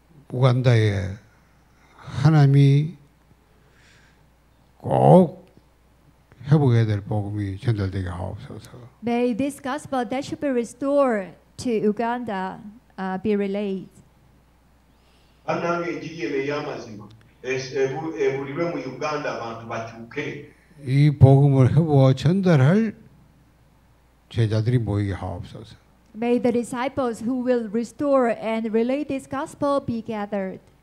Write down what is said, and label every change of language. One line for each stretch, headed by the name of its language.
Korean: 우간다에 하나님이 꼭 회복해야 될 복음이 전달되게 하옵소서.
English: May this gospel that should be restored to Uganda be relayed.
Korean: 하나님의 지혜를 야마지마. 우리 우간다 방도 바치우케. 이 복음을 회복하고 전달할 제자들이 모이게 하옵소서.
English: May the disciples who will restore and relay this gospel be gathered.